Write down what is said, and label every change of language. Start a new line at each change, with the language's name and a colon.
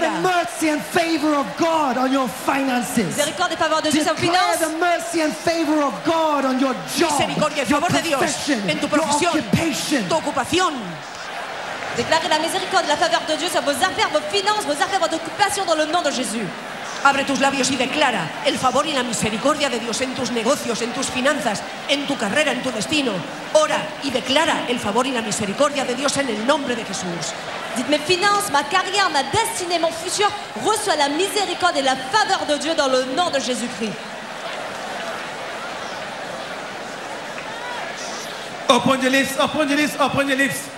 English: Declare the mercy and favor of God on your finances. Declare the mercy and favor of God on your job.
Spanish: Misericordia y favor de Dios en tu profesión.
English: Your occupation.
Spanish: Tu ocupación.
French: Déclarez la miséricorde, la faveur de Dieu sur vos affaires, vos finances, vos affaires, votre occupation dans le nom de Jésus.
Spanish: Abre tus labios y declara el favor y la misericordia de Dios en tus negocios, en tus finanzas, en tu carrera, en tu destino. Ora y declara el favor y la misericordia de Dios en el nombre de Jesús.
French: Dites mes finances, ma carrière, ma destinée, mon futur, reçoit la miséricorde et la faveur de Dieu dans le nom de Jésus-Christ.
English: Open your lips, open your lips, open your lips.